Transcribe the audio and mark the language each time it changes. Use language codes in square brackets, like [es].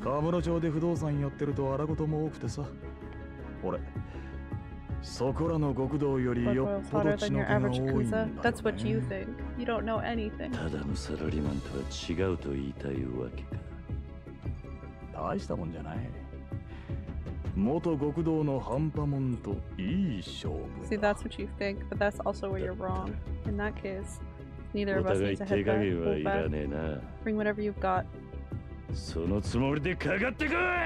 [ja] 神室町で不動産やってると荒事も多くてさ。俺、そこらの極道よりよっぽど血の気が多いんだよね。 [en] That's what you think. You don't know anything. [ja] ただのサラリーマンとは違うと言いたいわけか。大したもんじゃない。元極道の半端もんといい勝負だ。 [en] See, that's what you think, but that's also where you're wrong. In that case, neither of us needs a head [ja] back. お互い手加減はいらねえな。 [en] Bring whatever you've got. [ja] そのつもりでかかってこい。